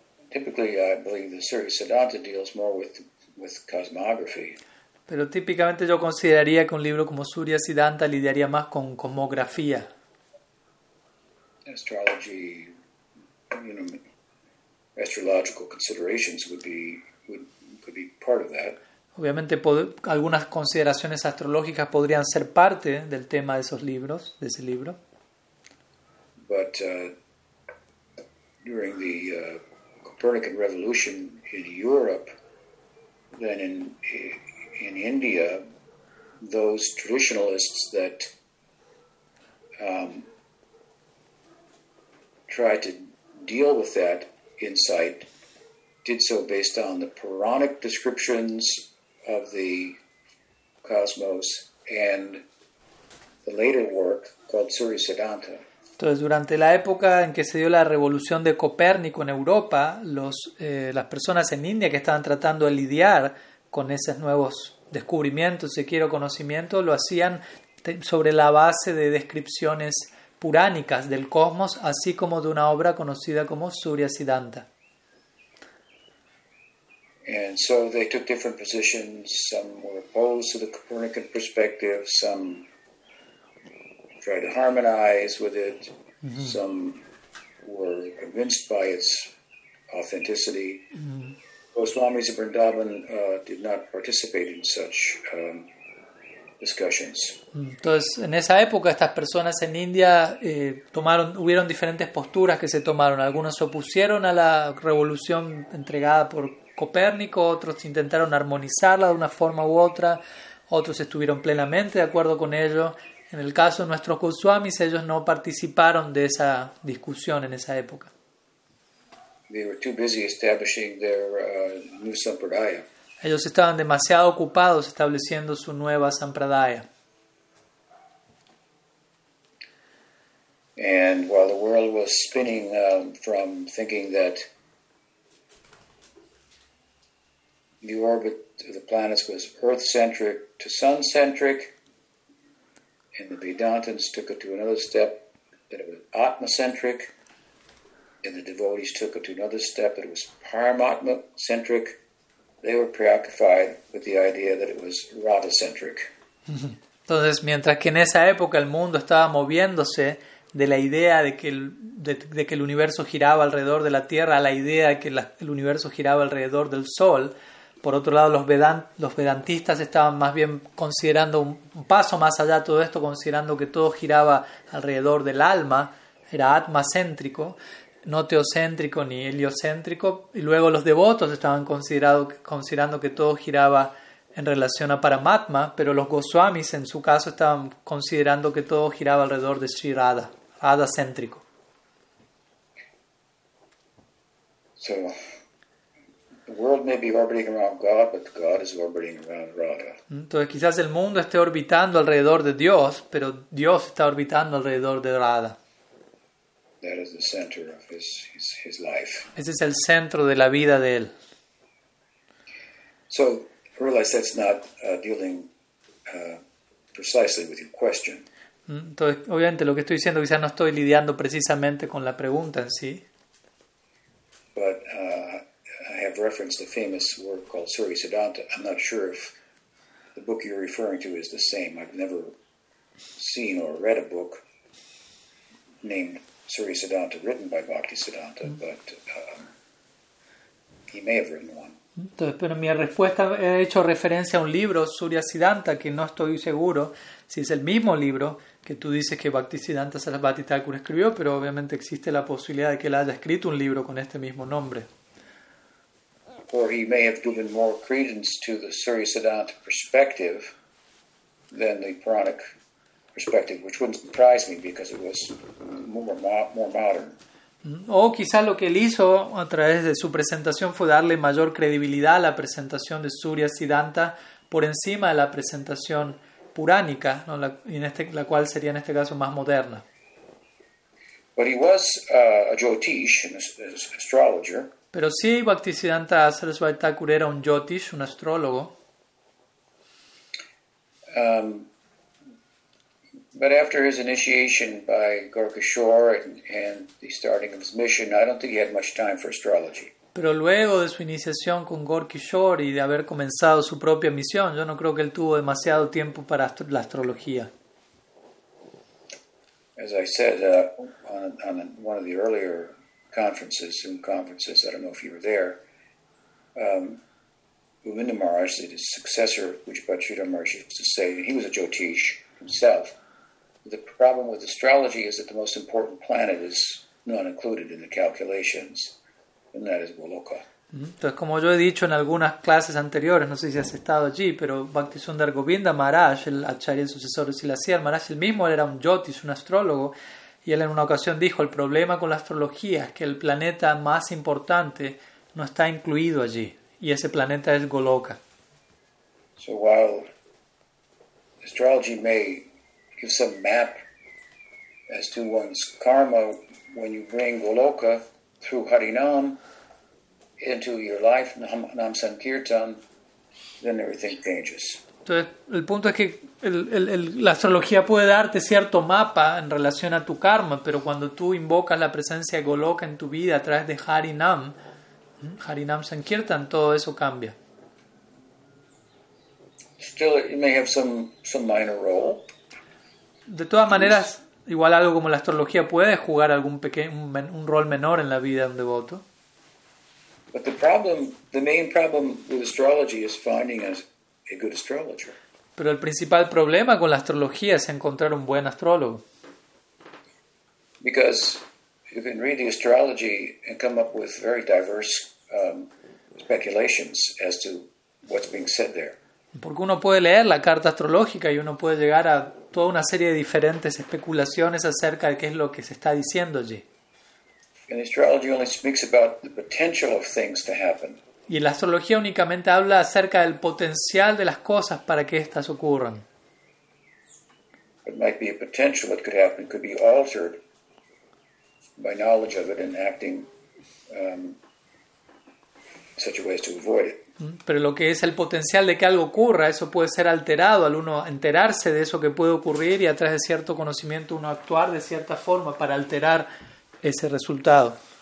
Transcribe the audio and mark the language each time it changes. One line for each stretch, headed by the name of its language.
English: Typically, I believe the Surya Siddhanta deals more with cosmography.
Spanish: Pero típicamente yo consideraría que un libro como Surya Siddhanta lidiaría más con cosmografía.
English: Astrology, you know. Astrological considerations could be part of that.
Spanish: Obviamente, algunas consideraciones astrológicas podrían ser parte del tema de esos libros, de ese libro.
English: But during the Copernican Revolution in Europe, then in India, those traditionalists that tried to deal with that insight did so based on the Puranic descriptions of the cosmos and the later work called Surya Siddhanta.
Spanish: Entonces, durante la época en que se dio la revolución de Copérnico en Europa, las personas en India que estaban tratando de lidiar con esos nuevos descubrimientos, si quiero conocimiento, lo hacían sobre la base de descripciones puránicas del cosmos, así como de una obra conocida como Surya Siddhanta.
English: And so they took different positions. Some were opposed to the Copernican perspective. Some tried to harmonize with it. Mm-hmm. Some were convinced by its authenticity. Mm-hmm. Goswamis of Vrindavan did not participate in such discussions.
Spanish: Entonces, en esa época, estas personas en India hubieron diferentes posturas que se tomaron. Algunos se opusieron a la revolución entregada por Copérnico, otros intentaron armonizarla de una forma u otra, otros estuvieron plenamente de acuerdo con ello. En el caso de nuestros Goswamis, ellos no participaron de esa discusión en esa época.
English: They were too busy establishing their new sampradaya.
Spanish: Ellos estaban demasiado ocupados estableciendo su nueva sampradaya.
English: And while the world was spinning from thinking that the orbit of the planets was Earth-centric to Sun-centric, and the Vedantins took it to another step, that it was Atma-centric, and the devotees took it to another step, that it was Paramatma-centric, they were preoccupied with the idea that it was Radha-centric.
Spanish: Entonces, mientras que en esa época el mundo estaba moviéndose de la idea de que el universo giraba alrededor de la Tierra a la idea de que el universo giraba alrededor del Sol, por otro lado, los vedantistas estaban más bien considerando un paso más allá de todo esto, considerando que todo giraba alrededor del alma, era atma-céntrico, no teocéntrico ni heliocéntrico, y luego los devotos estaban considerando que todo giraba en relación a Paramatma, pero los Goswamis, en su caso, estaban considerando que todo giraba alrededor de Sri Radha, Radha-céntrico.
English: So, the world may be orbiting around God, but God is orbiting around Radha.
Spanish: Entonces, quizás el mundo esté orbitando alrededor de Dios, pero Dios está orbitando alrededor de Radha.
English: That is the center of his life.
Spanish: Ese es el centro de la vida de él.
English: So, realize that's not dealing precisely with your question.
Spanish: Entonces, obviamente, lo que estoy diciendo quizás no estoy lidiando precisamente con la pregunta en sí.
English: But I have referenced a famous work called Surya Siddhanta. I'm not sure if the book you're referring to is the same. I've never seen or read a book named Surya Siddhanta written by Bhakti Siddhanta, but he may have written one.
Spanish: Entonces, pero mi respuesta, he hecho referencia a un libro, Surya Siddhanta, que no estoy seguro si es el mismo libro que tú dices que Bhaktisiddhanta Sarasvati Thakur escribió, pero obviamente existe la posibilidad de que él haya escrito un libro con este mismo nombre.
English: Or he may have given more credence to the Surya Siddhanta perspective than the Puranic perspective, which wouldn't surprise me because it was more modern.
Spanish: O quizá lo que él hizo a través de su presentación fue darle mayor credibilidad a la presentación de Surya Siddhanta por encima de la presentación puránica, ¿no? La cual sería en este caso más moderna.
English: But he was a Jyotish, an astrologer.
Spanish: Pero sí, Bhaktisiddhanta Sarasvati Thakur era un Jyotish, un astrólogo.
English: But after his initiation by Gaur Kishore and the starting of his mission, I don't think he had much time for astrology.
Spanish: Pero luego de su iniciación con Gaur Kishore y de haber comenzado su propia misión, yo no creo que él tuvo demasiado tiempo para la astrología.
English: As I said on one of the earlier conferences, Zoom conferences, I don't know if you were there, Govinda Maharaj, his successor, Ujjapachita Maharaj, used to say that he was a Jyotish himself. The problem with astrology is that the most important planet is not included in the calculations, and that is Goloka.
Spanish: Entonces, como yo he dicho en algunas clases anteriores, no sé si has estado allí, pero Bhaktisundar Govinda Maharaj, el acharya sucesor de Sila Siddhar Maharaj, el mismo era un jyotish, un astrólogo, y él en una ocasión dijo, el problema con la astrología es que el planeta más importante no está incluido allí, y ese planeta es Goloka.
English: So while astrology may give some map as to one's karma, when you bring Goloka through Harinam into your life, Nam Sankirtan, then everything changes.
Spanish: Entonces, el punto es que la astrología puede darte cierto mapa en relación a tu karma, pero cuando tú invocas la presencia de Goloka en tu vida a través de Harinam, Harinam Sankirtan, todo eso cambia.
English: Still, it may have some minor role.
Spanish: De todas maneras, igual algo como la astrología puede jugar algún un rol menor en la vida de un devoto.
English: But the main problem with astrology is finding a good astrologer.
Spanish: Pero el principal problema con la astrología es encontrar un buen astrólogo.
English: Because you can read the astrology and come up with very diverse speculations as to what's being said there.
Spanish: Porque uno puede leer la carta astrológica y uno puede llegar a toda una serie de diferentes especulaciones acerca de qué es lo que se está diciendo allí.
English: And astrology only speaks about the potential of things to happen.
Spanish: Y la astrología únicamente habla acerca del potencial de las cosas para que éstas ocurran.
English: It might be a potential that could happen, could be altered by knowledge of it and acting such a way as to avoid it.
Spanish: Pero lo que es el potencial de que algo ocurra, eso puede ser alterado al uno enterarse de eso que puede ocurrir y a través de cierto conocimiento uno actuar de cierta forma para alterar ese resultado.